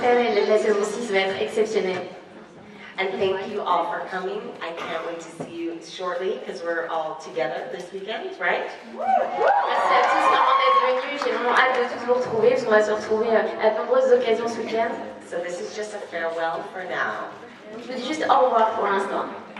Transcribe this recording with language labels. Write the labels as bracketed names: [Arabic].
[English] And thank you all for coming. I can't wait to see you shortly because we're all together this weekend, right? [French] Merci à tous d'être venus. J'ai vraiment hâte de tous vous retrouver parce qu'on va se retrouver à nombreuses occasions ce week-end. [English] So this is just a farewell for now. [French] Je vous dis juste au revoir pour l'instant.